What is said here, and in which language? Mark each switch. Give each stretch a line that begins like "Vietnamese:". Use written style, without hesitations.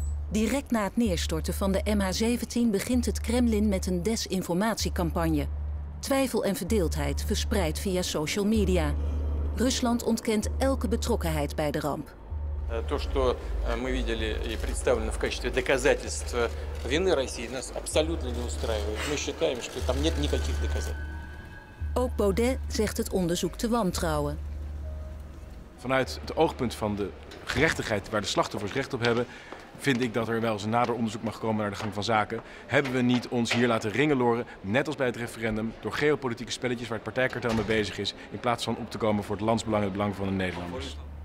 Dutch: Direct na het neerstorten van de MH17 begint het Kremlin met een desinformatiecampagne. Twijfel en verdeeldheid verspreid via social media. Rusland ontkent elke betrokkenheid bij de ramp.
Russian: То, что мы видели и представлено в качестве доказательства вины России, нас абсолютно не устраивает. Мы считаем, что там нет никаких доказательств.
Dutch: Ook Baudet zegt het onderzoek te wantrouwen. Vanuit het oogpunt van de gerechtigheid waar de slachtoffers recht op hebben, vind ik dat er wel eens een nader onderzoek mag komen naar de gang van zaken. Hebben we niet ons hier laten ringeloren, net als bij het referendum, door geopolitieke spelletjes waar het partijkartel mee bezig is, in plaats van op te komen voor het landsbelang en het belang van de Nederlanders?